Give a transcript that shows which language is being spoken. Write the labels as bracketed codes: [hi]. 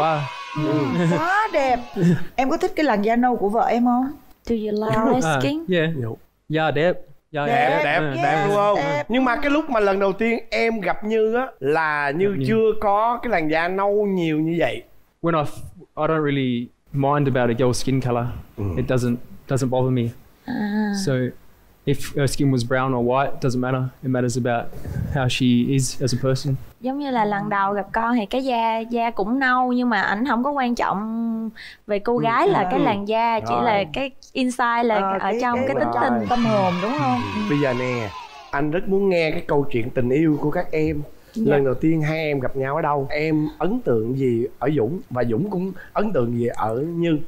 [vi] Quá. Quá đẹp. Em có thích cái làn da nâu của vợ em không? [en] Do you like skin? Yeah. Yeah, đẹp. Yeah, [vi] đẹp, đẹp, yeah, đẹp đúng không? Đẹp. Nhưng mà cái lúc mà lần đầu tiên em gặp Như á là Như gặp chưa Như. Có cái làn da nâu nhiều như vậy. [en] When I don't really mind about a girl's skin color. It doesn't bother me. So If her skin was brown or white, doesn't matter. It matters about how she is as a person. [vi] Giống như là lần đầu gặp con thì cái da cũng nâu, nhưng mà ảnh không có quan trọng về cô gái là cái làn da, chỉ là cái inside là ở trong cái tính tình tâm hồn, đúng không? Bây giờ nè, anh rất muốn nghe cái câu chuyện tình yêu của các em. Dạ. Lần đầu tiên hai em gặp nhau ở đâu? Em ấn tượng gì ở Dũng và Dũng cũng ấn tượng gì ở Như?